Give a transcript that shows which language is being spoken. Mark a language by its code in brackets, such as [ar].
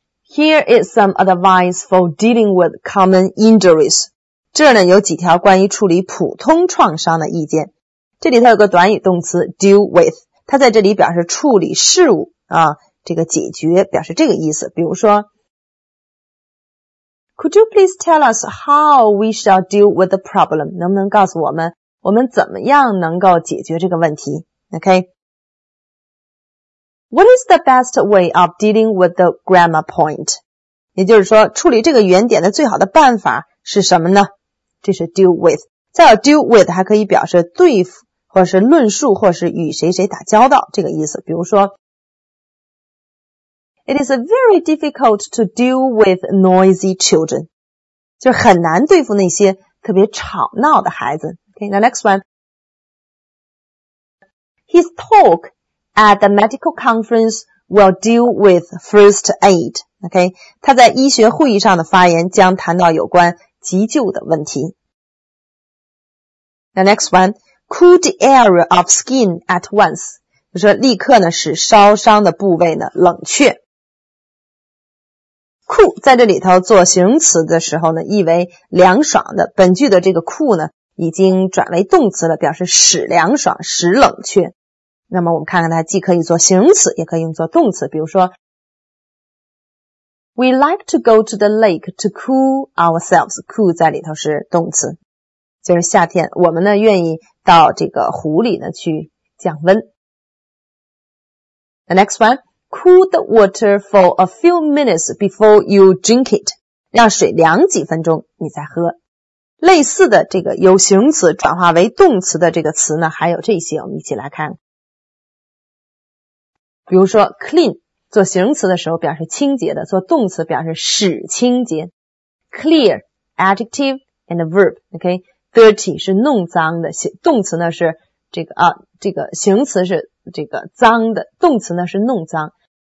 [en] Here is some advice for dealing with common injuries. [zh] 这呢有几条关于处理普通创伤的意见。这里头有个短语动词 deal with， 它在这里表示处理事物啊，这个解决表示这个意思。比如说 [en] Could you please tell us how we shall deal with the problem? [zh] 能不能告诉我们我们怎么样能够解决这个问题？ [en] OK。 What is the best way of dealing with the grammar point? [zh] 也就是说处理这个原点的最好的办法是什么呢？这是 deal with。再有 deal with 还可以表示对付或是论述或是与谁谁打交道这个意思。比如说 [en] It is very difficult to deal with noisy children. [zh] 就很难对付那些特别吵闹的孩子。 [en] OK, now next one. His talkAt the medical conference, we'll deal with first aid. [zh] OK, 他在医学会议上的发言将谈到有关急救的问题。 [en] The next one, cool the area of skin at once. [zh] 就说立刻呢使烧伤的部位呢冷却。 cool 在这里头做形容词的时候呢，意为凉爽的，本句的这个 cool 呢已经转为动词了，表示使凉爽，使冷却。那么我们看看它既可以做形容词，也可以用作动词。比如说 [en] We like to go to the lake to cool ourselves. [zh] Cool 在里头是动词，就是夏天我们呢愿意到这个湖里呢去降温。 [en] The next one, cool the water for a few minutes before you drink it. [zh] 让水凉几分钟你再喝。类似的这个由形容词转化为动词的这个词呢还有这些，我们一起来看。比如说 clean 做形容词的时候表示清洁的，做动词表示使清洁。 [en] clear adjective and verb OK, [zh] dirty 是弄脏的，动词呢是这个形容词是这个脏的，动词呢是弄脏。